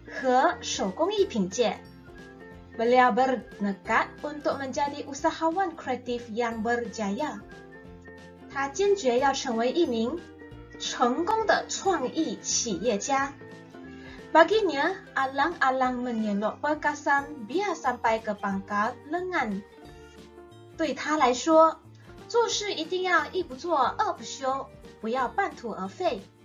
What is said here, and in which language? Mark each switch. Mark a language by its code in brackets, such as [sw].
[zh] 他投身于出版界、广告界和手工艺品界. [ms] Beliau bernekad untuk menjadi usahawan kreatif yang berjaya. [zh] 他坚决要成为一名成功的创意企业家. [ms] Baginya, alang-alang menyelok perkasan biar sampai ke pangkal lengan. [zh] 对他来说,做事一定要一不做二不休,不要半途而废.